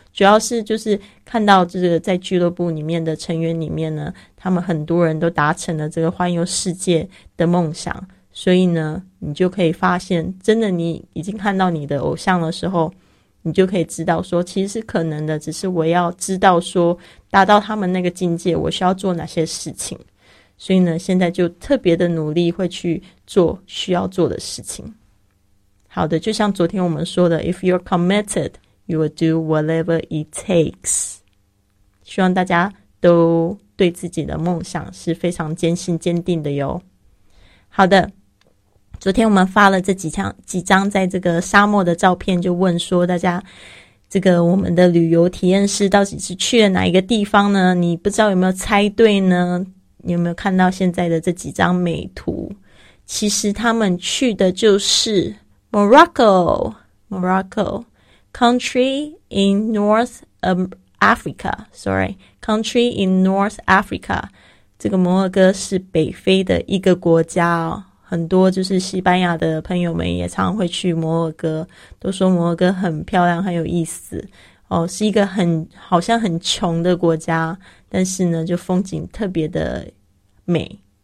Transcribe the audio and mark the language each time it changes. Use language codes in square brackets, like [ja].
[zh] 主要是就是看到这个在俱乐部里面的成员里面呢，他们很多人都达成了这个环游世界的梦想，所以呢，你就可以发现，真的你已经看到你的偶像的时候，你就可以知道说，其实是可能的，只是我要知道说，达到他们那个境界，我需要做哪些事情。所以呢，现在就特别的努力会去做需要做的事情。好的，就像昨天我们说的 [en] ,If you're committed, you will do whatever it takes. [zh] 希望大家都对自己的梦想是非常坚信坚定的哟。好的，昨天我们发了这几张在这个沙漠的照片，就问说大家这个我们的旅游体验师到底是去了哪一个地方呢？你不知道有没有猜对呢？你有没有看到现在的这几张美图？其实他们去的就是 [en] Morocco country in North Africa, sorry, country in North Africa。 [zh] 这个摩洛哥是北非的一个国家哦，很多就是西班牙的朋友们也常会去摩洛哥，都说摩洛哥很漂亮很有意思哦，是一个很好像很穷的国家，但是呢就风景特别的美。